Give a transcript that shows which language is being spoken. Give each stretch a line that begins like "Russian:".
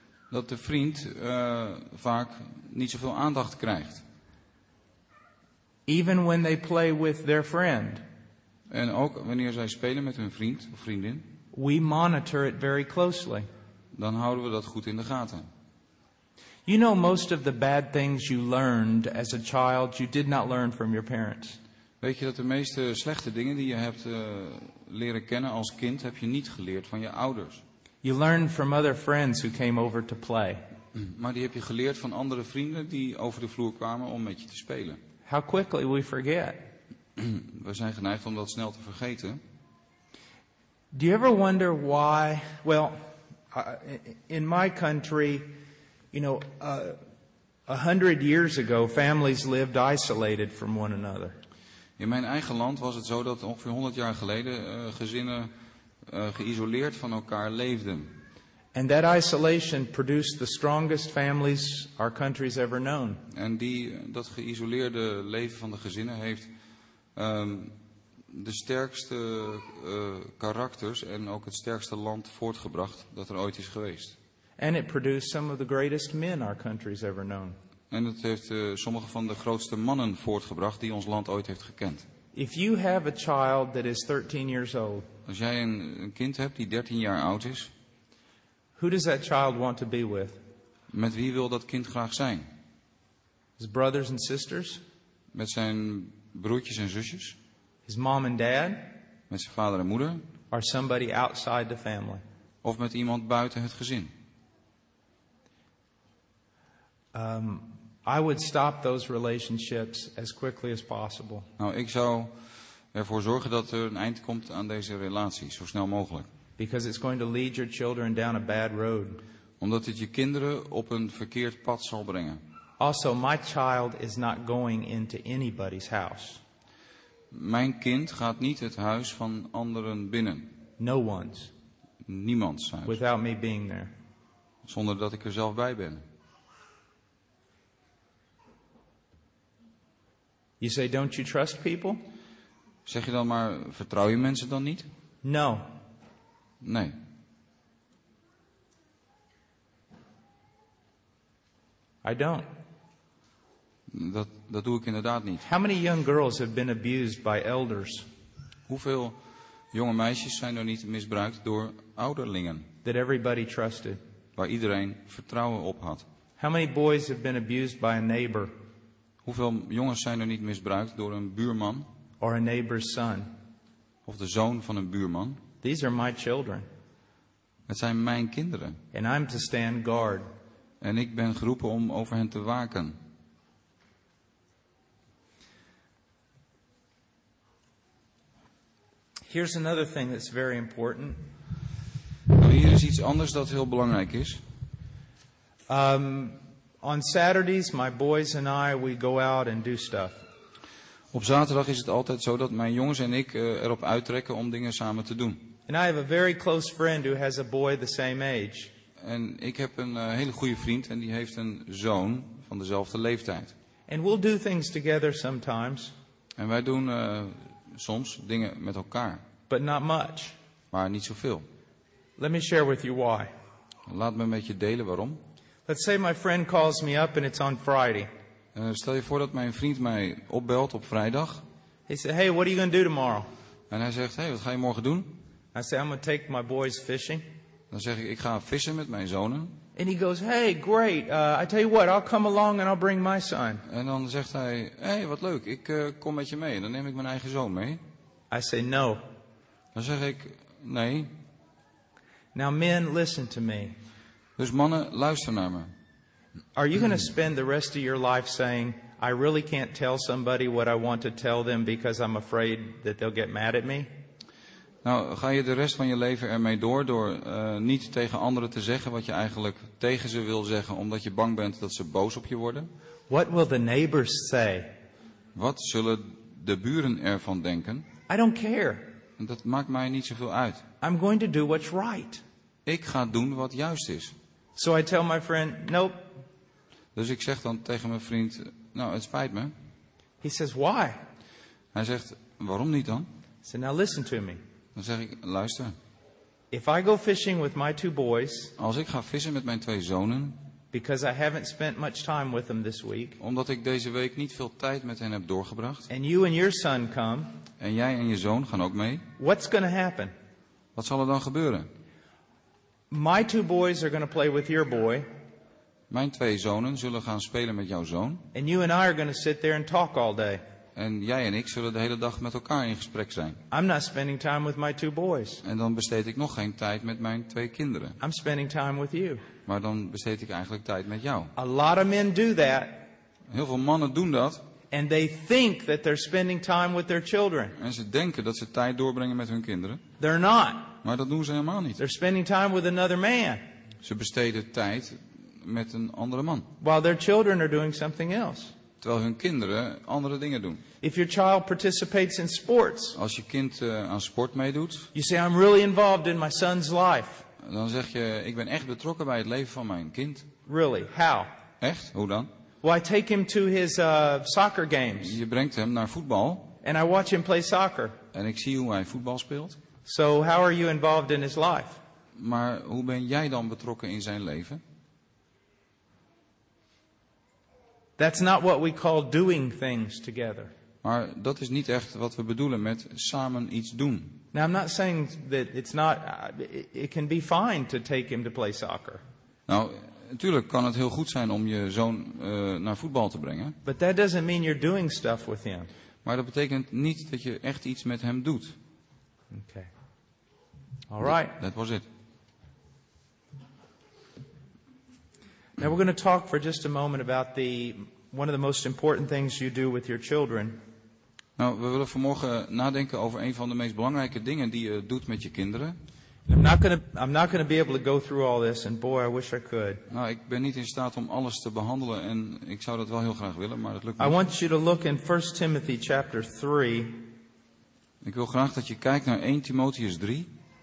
Dutch: Dat de vriend vaak niet zoveel aandacht krijgt.
English: Even when they play with their friend.
Dutch: En ook wanneer zij spelen met hun vriend of vriendin.
English: We monitor it very closely.
Dutch: Dan houden we dat goed in de gaten.
English: You know, most of the bad things you learned as a child, you did not learn from your parents.
Dutch: Weet je dat de meeste slechte dingen die je hebt leren kennen als kind, heb je niet geleerd van je ouders.
English: You learn from other friends who came over to play.
Dutch: Maar die heb je geleerd van andere vrienden die over de vloer kwamen om met je te spelen.
English: How quickly we forget.
Dutch: We zijn geneigd om dat snel te vergeten.
English: Do you ever wonder why? Well, in my country, you know, 100 years ago, families lived isolated from one another.
Dutch: In mijn eigen land was het zo dat ongeveer 100 jaar geleden gezinnen geïsoleerd van elkaar leefden.
English: And that isolation produced the strongest families our country's ever known.
Dutch: En dat geïsoleerde leven van de gezinnen heeft de sterkste karakters en ook het sterkste land voortgebracht dat er ooit is geweest.
English: And it produced some of the greatest men our country's ever known.
Dutch: En het heeft sommige van de grootste mannen voortgebracht die ons land ooit heeft gekend.
English: If you have a child that is 13 years old.
Dutch: Als jij een kind hebt die 13 jaar oud is.
English: Who does that child want to be with?
Dutch: Met wie wil dat kind graag zijn?
English: His brothers and sisters?
Dutch: Met zijn broertjes en zusjes?
English: His mom and dad?
Dutch: Met zijn vader en moeder?
English: Or somebody outside the family?
Dutch: Of met iemand buiten het gezin?
English: I would stop those relationships as quickly as possible.
Dutch: Nou, ik zou ervoor zorgen dat er een eind komt aan deze relatie, zo snel mogelijk.
English: Because it's going to lead your children down a bad road.
Dutch: Omdat het je kinderen op een verkeerd pad zal brengen.
English: Also, my child is not going into anybody's house.
Dutch: Mijn kind gaat niet het huis van anderen binnen.
English: No one's.
Dutch: Niemands huis.
English: Without me being there.
Dutch: Zonder dat ik er zelf bij ben.
English: You say, don't you trust people?
Dutch: Zeg je dan maar, vertrouw je mensen dan niet?
English: No.
Dutch: Nee.
English: I don't.
Dutch: Dat doe ik inderdaad niet.
English: How many young girls have been abused by elders?
Dutch: Hoeveel jonge meisjes zijn er niet misbruikt door ouderlingen?
English: That everybody trusted.
Dutch: Waar iedereen vertrouwen op had.
English: How many boys have been abused by a neighbor?
Dutch: Hoeveel jongens zijn er niet misbruikt door een buurman?
English: Or a neighbor's son?
Dutch: Of de zoon van een buurman?
English: These are my children.
Dutch: Het zijn mijn kinderen.
English: And I'm to stand guard.
Dutch: En ik ben geroepen om over hen te waken.
English: Here's another thing that's very important.
Dutch: Nou, hier is iets anders dat heel belangrijk is.
English: On Saturdays, my boys and I, we go out and do stuff.
Dutch: Op zaterdag is het altijd zo dat mijn jongens en ik erop uittrekken om dingen samen te doen.
English: And I have a very close friend who has a boy the same age.
Dutch: En ik heb een hele goede vriend en die heeft een zoon van dezelfde leeftijd.
English: And we'll do things together sometimes.
Dutch: En wij doen soms dingen met elkaar.
English: But not much.
Dutch: Maar niet zoveel.
English: Let me share with you why.
Dutch: Laat me met je delen waarom.
English: Let's say my friend calls me up and it's on Friday.
Dutch: Stel je voor dat mijn vriend mij opbelt op vrijdag.
English: He said, "Hey, what are you going to do tomorrow?"
Dutch: En hij zegt, "Hey, wat ga je morgen doen?"
English: I say, "I'm going to take my boys fishing."
Dutch: Dan zeg ik, "Ik ga vissen met mijn zonen."
English: And he goes, "Hey, great. I tell you what, I'll come along and I'll bring my son."
Dutch: En dan zegt hij, "Hey, wat leuk. Ik kom met je mee. Dan neem ik mijn eigen zoon mee."
English: I say, "No."
Dutch: Dan zeg ik, "Nee."
English: Now, men, listen to me.
Dutch: Dus mannen, luister naar me.
English: Are you going to spend the rest of your life saying, "I really can't tell somebody what I want to tell them because I'm afraid that they'll get mad at me"?
Dutch: Nou, ga je de rest van je leven ermee door niet tegen anderen te zeggen wat je eigenlijk tegen ze wil zeggen, omdat je bang bent dat ze boos op je worden?
English: What will the neighbors say?
Dutch: Wat zullen de buren ervan denken?
English: I don't care.
Dutch: En dat maakt mij niet zoveel uit.
English: I'm going to do what's right.
Dutch: Ik ga doen wat juist is.
English: So I tell my friend, "Nope."
Dutch: Dus ik zeg dan tegen mijn vriend, "Nou, het spijt me."
English: He says, "Why?"
Dutch: Hij zegt, "Waarom niet dan?"
English: I said, "Now listen to me."
Dutch: Dan zeg ik, "Luister.
English: If I go fishing with my two boys,
Dutch: als ik ga vissen met mijn twee zonen,
English: because I haven't spent much time with them this week,
Dutch: omdat ik deze week niet veel tijd met hen heb doorgebracht,
English: and you and your son come,
Dutch: en jij en je zoon gaan ook mee,
English: what's going to happen?
Dutch: Wat zal er dan gebeuren?
English: My two boys are going to play with your boy.
Dutch: Mijn twee zonen zullen gaan spelen met jouw zoon.
English: And you and I are going to sit there and talk all day.
Dutch: En jij en ik zullen de hele dag met elkaar in gesprek zijn.
English: I'm not spending time with my two boys.
Dutch: En dan besteed ik nog geen tijd met mijn twee kinderen.
English: I'm spending time with you.
Dutch: Maar dan besteed ik eigenlijk tijd met jou.
English: A lot of men do that.
Dutch: Heel veel mannen doen dat.
English: And they think that they're spending time with their children.
Dutch: En ze denken dat ze tijd doorbrengen met hun kinderen.
English: They're not.
Dutch: Maar dat doen ze helemaal niet.
English: They're spending time with another man.
Dutch: Ze besteden tijd met een andere man.
English: While their children are doing something else.
Dutch: Terwijl hun kinderen andere dingen doen.
English: If your child participates in sports.
Dutch: Als je kind aan sport meedoet.
English: You say, "I'm really involved in my son's life."
Dutch: Dan zeg je, "Ik ben echt betrokken bij het leven van mijn kind."
English: Really? How?
Dutch: Echt? Hoe dan?
English: Well, I take him to his soccer games.
Dutch: Je brengt hem naar voetbal.
English: And I watch him play soccer.
Dutch: En ik zie hoe hij voetbal speelt.
English: So how are you involved in his life?
Dutch: Maar hoe ben jij dan betrokken in zijn leven?
English: That's not what we call doing things together.
Dutch: Maar dat is niet echt wat we bedoelen met samen iets doen.
English: Now I'm not saying that it's not it can be fine to take him to play soccer.
Dutch: Nou, natuurlijk kan het heel goed zijn om je zoon naar voetbal te brengen.
English: But that doesn't mean you're doing stuff with him.
Dutch: Maar dat betekent niet dat je echt iets met hem doet.
English: Okay. All right. That was it. Now we're going to talk for just a moment about the one of the most important things you do with your children.
Dutch: Nou, we willen vanmorgen nadenken over een van de meest belangrijke dingen die je doet met je kinderen.
English: I'm not gonna be able to go through all this, and boy, I wish I could.
Dutch: Nou, ik ben niet in staat om alles te behandelen, en ik zou dat wel heel graag willen, maar dat lukt niet.
English: I want you to look in 1 Timothy chapter 3.
Dutch: Ik wil graag dat je kijkt naar 1 Timotheus 3.